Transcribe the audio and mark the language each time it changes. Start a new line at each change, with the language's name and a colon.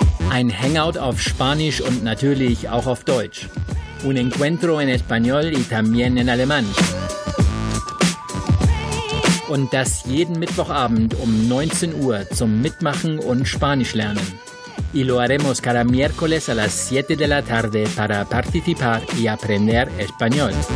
German: Ein Hangout auf Spanisch und natürlich auch auf Deutsch.
Spanish: Un encuentro en español y también en alemán.
German: Und das jeden Mittwochabend um 19 Uhr zum Mitmachen und Spanisch lernen.
Spanish: Y lo haremos cada miércoles a las 7 de la tarde para participar y aprender español.